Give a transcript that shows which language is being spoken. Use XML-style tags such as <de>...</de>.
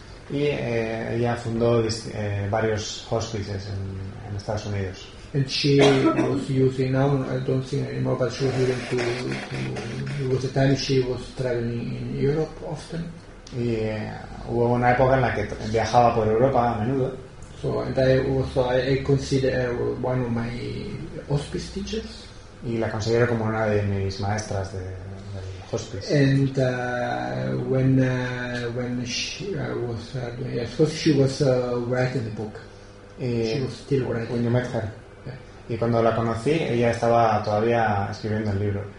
<es>Y ella fundó varios hospices en Estados Unidos.</es> <en>And she was using now I don't think anymore, but she was using to it was a time she was traveling in Europe often.</en> <es>Y hubo una época en la que viajaba por Europa a menudo.</es> <en>So and I consider her one of my hospice teachers.</en> <es>Y la considero como una de mis maestras de.</es> <en>Hospice. And when she was yes, so she was writing the book. She was still writing. When you met her.</en> <es>Y cuando la conocí, ella estaba todavía escribiendo el libro.</es>